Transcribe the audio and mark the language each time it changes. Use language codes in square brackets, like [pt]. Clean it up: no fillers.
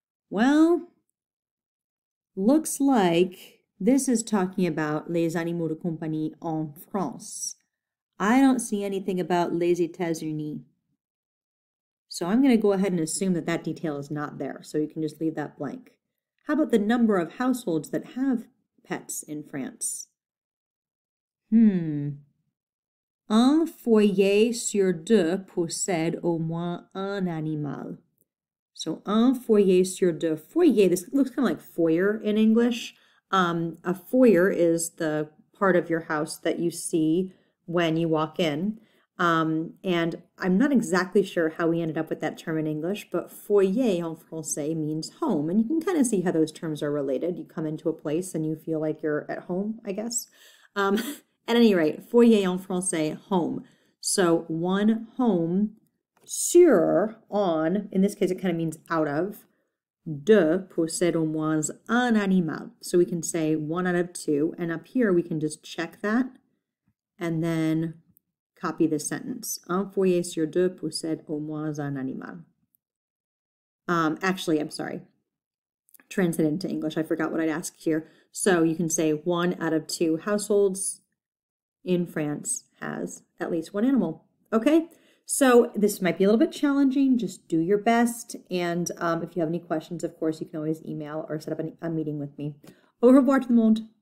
[en] Well, looks like this is talking about [fr] les animaux de compagnie en France. [en] I don't see anything about [fr] les États-Unis. [en] So I'm going to go ahead and assume that that detail is not there. So you can just leave that blank. How about the number of households that have pets in France? [fr] Un foyer sur deux possède au moins un animal. So un foyer sur deux. [en] Foyer, this looks kind of like foyer in English. A foyer is the part of your house that you see when you walk in. And I'm not exactly sure how we ended up with that term in English, but [fr] foyer en français [en] means home. And you can kind of see how those terms are related. You come into a place and you feel like you're at home, I guess. At any rate, [fr] foyer en français, [en] home. So one home. Sur, on, in this case it kind of means out of, [fr] de possède au moins un animal. [en] So we can say one out of two, and up here we can just check that and then copy this sentence. [fr] Un foyer sur deux possède au moins un animal. [en] Actually, I'm sorry. Translate into English, I forgot what I'd ask here. So you can say one out of two households in France has at least one animal. Okay? So this might be a little bit challenging. Just do your best. And if you have any questions, of course, you can always email or set up a meeting with me. [fr] Au revoir tout le monde.